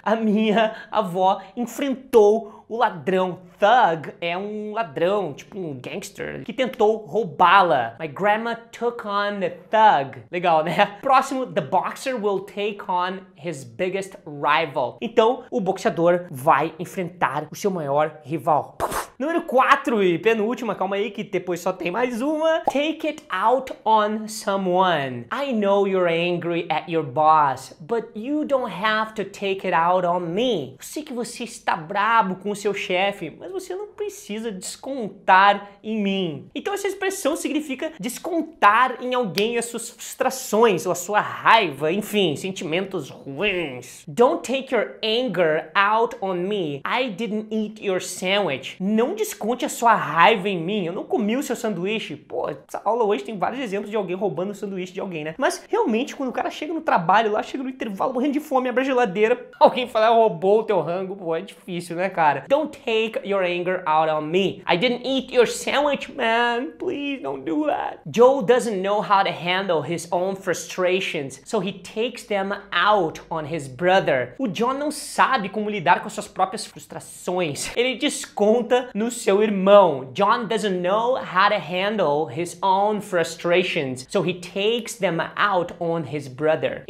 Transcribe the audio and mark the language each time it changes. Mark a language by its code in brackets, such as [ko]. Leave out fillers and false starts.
[pt] A minha avó enfrentou o ladrão. Thug é um ladrão, tipo um gangster, que tentou roubá-la. [en] My grandma took on the thug. [pt] Legal, né? Próximo, [en] the boxer will take on his biggest rival. [pt] Então, o boxeador vai enfrentar o seu maior rival. Número 4 e penúltima, calma aí que depois só tem mais uma. [en] Take it out on someone. I know you're angry at your boss, but you don't have to take it out on me. [pt] Eu sei que você está brabo com o seu chefe, mas você não precisa descontar em mim. Então essa expressão significa descontar em alguém as suas frustrações, ou a sua raiva, enfim, sentimentos ruins. [en] Don't take your anger out on me. I didn't eat your sandwich. [pt] Não desconte a sua raiva em mim. Eu não comi o seu sanduíche. Pô, essa aula hoje tem vários exemplos de alguém roubando o sanduíche de alguém, né? Mas realmente, quando o cara chega no trabalho lá, chega no intervalo morrendo de fome, abre a geladeira, alguém fala, roubou o teu rango. Pô, é difícil, né, cara? [en] Don't take your anger out on me. I didn't eat your sandwich, man. Please don't do that. Joe doesn't know how to handle his own frustrations, so he takes them out on his brother. [pt] O John não sabe como lidar com suas próprias frustrações. Ele desconta no seu irmão. [en] John doesn't know how to handle his own frustrations, so he takes them out on his brother.